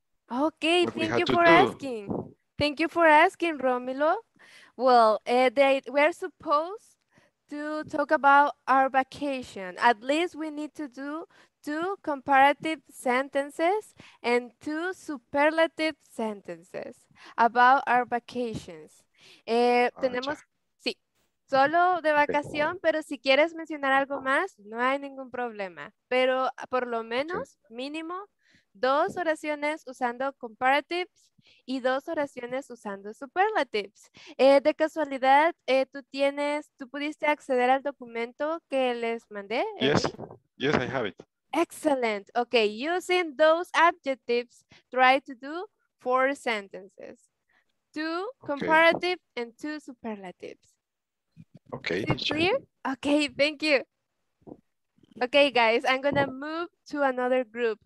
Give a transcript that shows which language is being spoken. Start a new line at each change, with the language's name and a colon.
English: Okay, thank you for asking, Romulo. Well, we're supposed to talk about our vacation. At least we need to do 2 comparative sentences and 2 superlative sentences about our vacations.
Spanish: Tenemos, sí, solo de vacación, pero si quieres mencionar algo más, no hay ningún problema. Pero por lo menos, mínimo, 2 oraciones usando comparatives y 2 oraciones usando superlatives. De casualidad, tú pudiste acceder al documento que les mandé.
English: Yes, I have it. Excellent. Okay, using those adjectives, try to do 4 sentences. 2 comparative and 2 superlatives. Okay. Is it clear? Okay, thank you. Okay, guys, I'm gonna move to another group.